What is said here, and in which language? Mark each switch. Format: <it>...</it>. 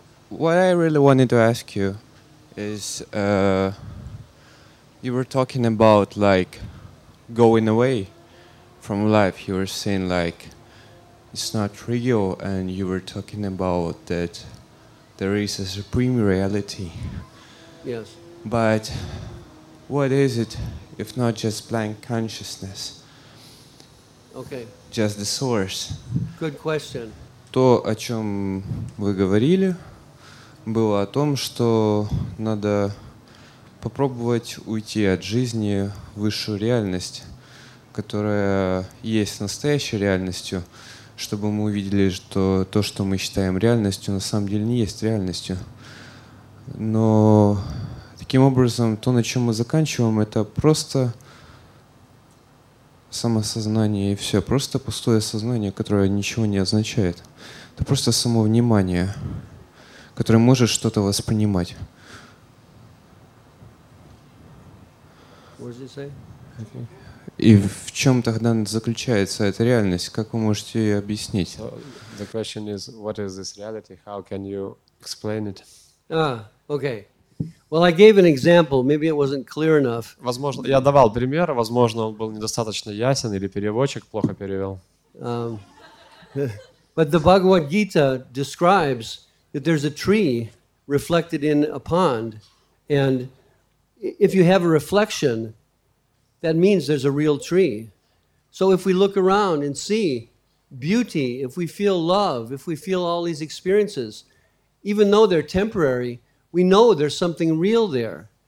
<en>What I really wanted to ask you is you were talking about like going away from life, you were saying like it's not real, and you were talking about that there is a supreme reality. Yes. But what is it if not just blank consciousness? Okay. Just the source. Good question.</en> <ru>То, о чем вы говорили, было о том, что надо попробовать уйти от жизни в высшую реальность, которая есть настоящей реальностью, чтобы мы увидели, что то, что мы считаем реальностью, на самом деле не есть реальностью. Но таким образом, то, на чем мы заканчиваем, это просто самосознание и все. Просто пустое сознание, которое ничего не означает. Это просто само внимание, которое может что-то воспринимать. И в чем тогда заключается эта реальность? Как вы можете ее объяснить?</ru> <en>The question is, what is this reality? How can you explain it? Okay. Well, I gave an example. Maybe it wasn't clear enough.</en> <ru>Возможно, я давал пример. Возможно, он был недостаточно ясен или переводчик плохо перевел.</ru> <en>But the Bhagavad Gita describes that there's a tree reflected in a pond, and if you have a reflection, that means there's a real tree. So if we look around and see beauty, if we feel love, if we feel all these experiences, even though they're temporary, we know there's something real there.</en>